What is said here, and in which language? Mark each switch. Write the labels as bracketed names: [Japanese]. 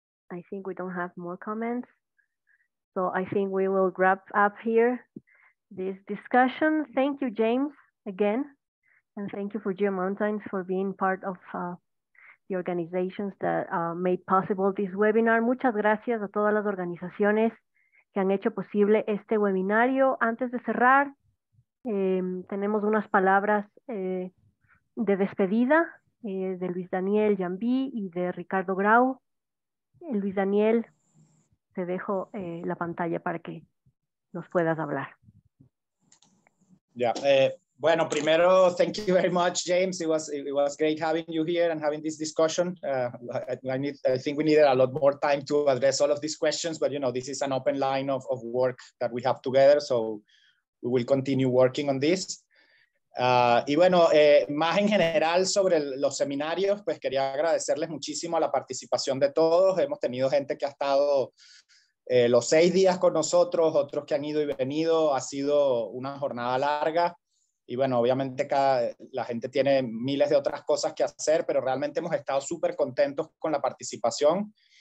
[English] I think we don't have more comments. So I think we will wrap up here this discussion. Thank you, James, again. And thank you for GeoMountains for being part of the organizations that made possible this webinar. [Spanish] Muchas gracias a todas las organizaciones que han hecho posible este webinario. Antes de cerrar, tenemos unas palabras de despedida de Luis Daniel Jambí y de Ricardo Grau. Luis Daniel, te dejo la pantalla para que nos puedas hablar. [English] Yeah. [Spanish] Bueno, primero, [English] thank you very much, James. It was great having you here and having this discussion. I think we needed a lot more time to address all of these questions, but this is an open line of work that we have together. So we will continue working on this. [Spanish] Y bueno, más en general sobre los seminarios, pues quería agradecerles muchísimo la participación de todos. Hemos tenido gente que ha estado los 6 días con nosotros, otros que han ido y venido. Ha sido una jornada larga. Y bueno, obviamente la gente tiene miles de otras cosas que hacer, pero realmente hemos estado súper contentos con la participación.